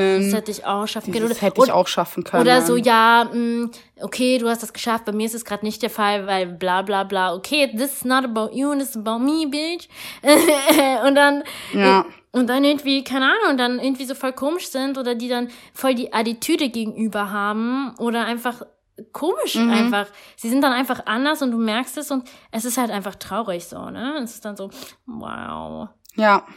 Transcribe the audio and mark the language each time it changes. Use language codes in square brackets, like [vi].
[de] Hätte ich auch schaffen können. Das hätte ich auch schaffen können. Oder so, ja, okay, du hast das geschafft. Bei mir ist es gerade nicht der Fall, weil bla bla bla. [en] Okay, this is not about you and this is about me, bitch. [de] Und dann... Ja. Und dann irgendwie, keine Ahnung, dann irgendwie so voll komisch sind oder die dann voll die Attitüde gegenüber haben oder einfach komisch einfach. Sie sind dann einfach anders und du merkst es und es ist halt einfach traurig so, ne? Es ist dann so, wow. Ja.